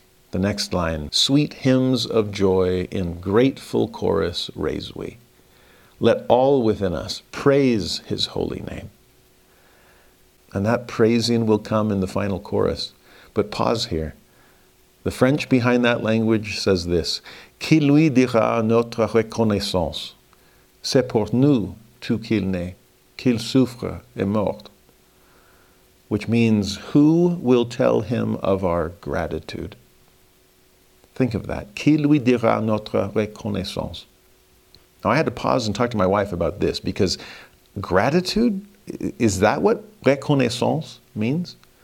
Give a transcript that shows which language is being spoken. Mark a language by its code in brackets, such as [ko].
[en] The next line, sweet hymns of joy in grateful chorus raise we. Let all within us praise his holy name. And that praising will come in the final chorus. But pause here. The French behind that language says this, [fr] qui lui dira notre reconnaissance? C'est pour nous tout qu'il naît, qu'il souffre et mort. [en] Which means, who will tell him of our gratitude? Think of that. [fr] Qui lui dira notre reconnaissance? [en] Now, I had to pause and talk to my wife about this, because gratitude, is that what reconnaissance means?